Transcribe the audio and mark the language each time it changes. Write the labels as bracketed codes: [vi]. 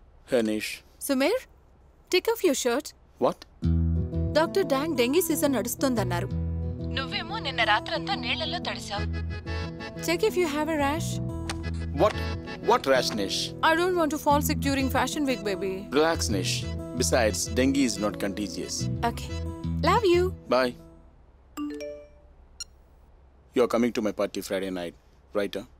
[en] Sumair, take off your shirt. What? Dr. [te] Dang, dengue season నడుస్తుంది అన్నారు. నువ్వేమో నిన్న రాత్రంతా నీళ్ళల్లో తడిసావు. [en] Check if you have a rash. What rash, Nish? I don't want to fall sick during fashion week, baby. Relax, Nish. Besides, dengue is not contagious. Okay. Love you. Bye. You're coming to my party Friday night, right?